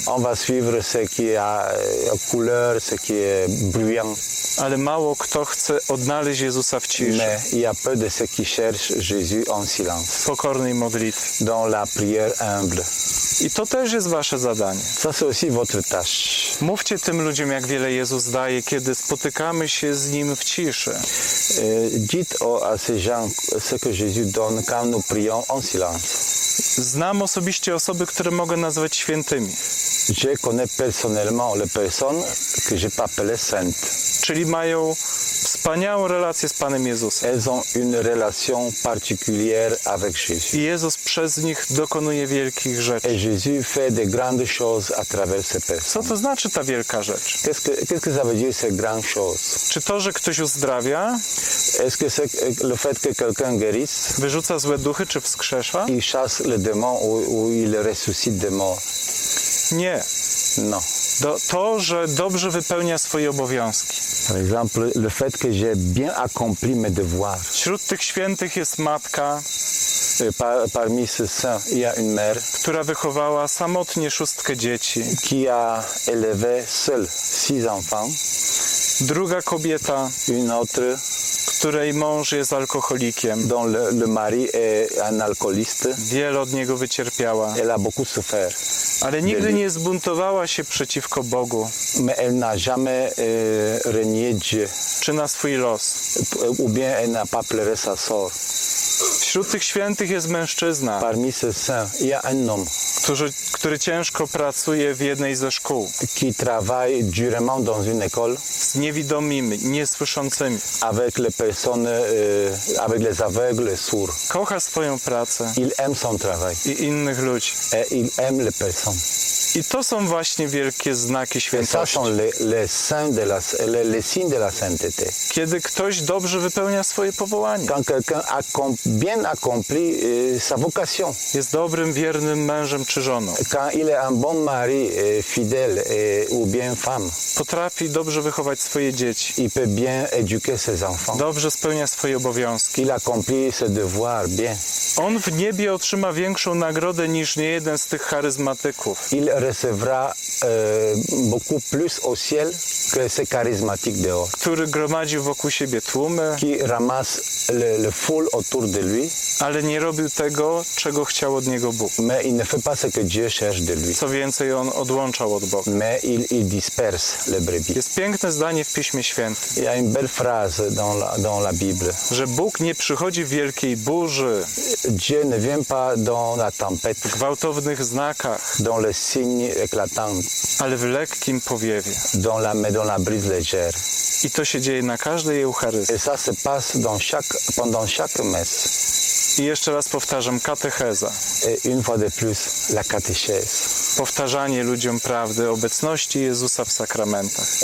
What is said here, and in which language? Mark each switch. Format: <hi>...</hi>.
<fr>On va suivre ce qui a couleur, ce qui est bruyant.</fr> <pl>Ale mało kto chce odnaleźć Jezusa w ciszy.</pl> <fr>Il y a peu de ceux qui cherchent Jésus en silence.</fr> <pl>W pokornej modlitwie.</pl> <fr>Dans la prière humble.</fr> <pl>I to też jest wasze zadanie.</pl> <fr>Ça c'est aussi votre tâche.</fr> <pl>Mówcie tym ludziom, jak wiele Jezus daje, kiedy spotykamy się z Nim w ciszy.</pl> <fr>Dites à ces gens ce que Jésus donne quand nous prions en silence.</fr> <pl>Znam osobiście osoby, które mogę nazwać świętymi.</pl> <fr>Je connais personnellement les personnes que je peux appeler saintes.</fr> <pl>Czyli mają wspaniałą relację z Panem Jezusem.</pl> <fr>Elles ont une relation particulière avec Jésus.</fr> <pl>I Jezus przez nich dokonuje wielkich rzeczy.</pl> <fr>Et Jésus fait de grandes choses à travers ces personnes.</fr> <pl>Co to znaczy ta wielka rzecz?</pl> <fr>Qu'est-ce que ça veut dire ces grandes choses?</fr> <pl>Czy to, że ktoś uzdrawia?</pl> <fr>Est-ce que c'est le fait que quelqu'un guérisse?</fr> <pl>Wyrzuca złe duchy czy wskrzesza?</pl> <fr>Il chasse les démons ou il ressuscite des morts.</fr> <pl>Nie.</pl> <fr>No.</fr> <pl>To, że dobrze wypełnia swoje obowiązki.</pl> <fr>Par exemple, le fait que j'ai bien accompli mes devoirs.</fr> <pl>Wśród tych świętych jest matka.</pl> <fr>Parmi ces saints, il y a une mère.</fr> <pl>Która wychowała samotnie szóstkę dzieci.</pl> <fr>Qui a élevé seule six enfants.</fr> <pl>Druga kobieta.</pl> <fr>Une autre.</fr> <pl>Której mąż jest alkoholikiem.</pl> <fr>Dont le mari est un alcooliste.</fr> <pl>Wiele od niego wycierpiała.</pl> <fr>Elle a beaucoup souffert.</fr> <pl>Ale nigdy nie zbuntowała się przeciwko Bogu.</pl> <fr>Mais elle n'a jamais renié Dieu.</fr> <pl>Czy na swój los.</pl> <fr>Ou bien elle n'a pas pleuré sa sort.</fr> <pl>Wśród tych świętych jest mężczyzna.</pl> <fr>Parmi ces saints, il y a un homme.</fr> <pl>Który ciężko pracuje w jednej ze szkół.</pl> <fr>Qui travaille durement dans une école.</fr> <pl>Z niewidomymi, niesłyszącymi.</pl> <fr>Avec les personnes, avec les aveugles, les sourds.</fr> <pl>Kocha swoją pracę.</pl> <fr>Il aime son travail.</fr> <pl>I innych ludzi.</pl> <fr>Et il aime les personnes.</fr> <pl>I to są właśnie wielkie znaki świętości.</pl> <fr>Ça sont les signes de la sainteté.</fr> <pl>Kiedy ktoś dobrze wypełnia swoje powołanie.</pl> <fr>Quand quelqu'un a bien accompli sa vocation.</fr> <pl>Jest dobrym, wiernym mężem czy żoną.</pl> <fr>Quand il est un bon mari, fidèle ou bien femme.</fr> <pl>Potrafi dobrze wychować swoje dzieci.</pl> <fr>Il peut bien éduquer ses enfants.</fr> <pl>Dobrze spełnia swoje obowiązki.</pl> <fr>Il accomplit ses devoirs bien.</fr> <pl>On w niebie otrzyma większą nagrodę niż nie jeden z tych charyzmatyków.</pl> <fr>Il recevra beaucoup plus au ciel que ces charismatiques dehors.</fr> <pl>Który gromadził wokół siebie tłumy.</pl> <fr>Qui ramasse le foule autour de lui.</fr> <pl>Ale nie robił tego, czego chciał od niego Bóg.</pl> <fr>Mais il ne fait pas ce que Dieu cherche de lui.</fr> <pl>Co więcej, on odłączał od Boga.</pl> <fr>Mais il disperse les brebis.</fr> <pl>Jest piękne zdanie w Piśmie Świętym.</pl> <fr>Il y a une belle phrase dans la Bible.</fr> <pl>Że Bóg nie przychodzi w wielkiej burzy.</pl> <fr>Dieu ne vient pas dans la tempête.</fr> <pl>W gwałtownych znakach.</pl> <fr>Dans les signes éclatants.</fr> <pl>Ale w lekkim powiewie.</pl> <fr>Dans la brise légère.</fr> <pl>I to się dzieje na każdej eucharystii.</pl> <fr>Et ça se passe pendant chaque messe.</fr> <pl>I jeszcze raz powtarzam, katecheza.</pl> <fr>Et une fois de plus, la catéchèse.</fr> <pl>Powtarzanie ludziom prawdy obecności Jezusa w sakramentach.</pl>